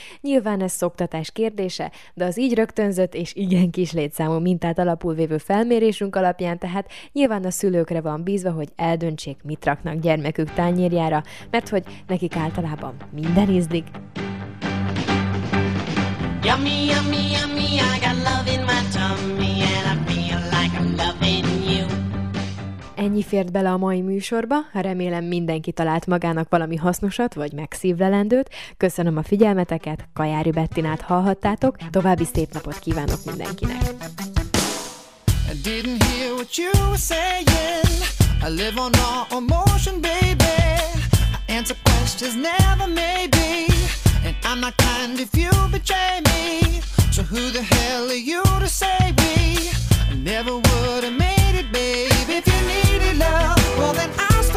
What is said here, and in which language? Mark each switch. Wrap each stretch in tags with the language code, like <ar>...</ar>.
<hu>Nyilván ez szoktatás kérdése, de az így rögtönzött és igen kis létszámú mintát alapul vévő felmérésünk alapján, tehát nyilván a szülőkre van bízva, hogy eldöntsék, mit raknak gyermekük tányérjára, mert hogy nekik általában minden ízlik.</hu> <en>Yummy, yummy, yummy, I got love in my tummy, and I feel like I'm loving you.</en> <hu>Ennyi fért bele a mai műsorba, remélem mindenki talált magának valami hasznosat, vagy megszívlelendőt. Köszönöm a figyelmeteket, Kajári Bettinát hallhattátok, további szép napot kívánok mindenkinek!</hu> <en>I didn't hear what you were saying, I live on all emotion, baby, I answer questions never maybe. And I'm not kind if you betray me. So who the hell are you to say me? I never would have made it, babe. If you needed love, well then I.</en>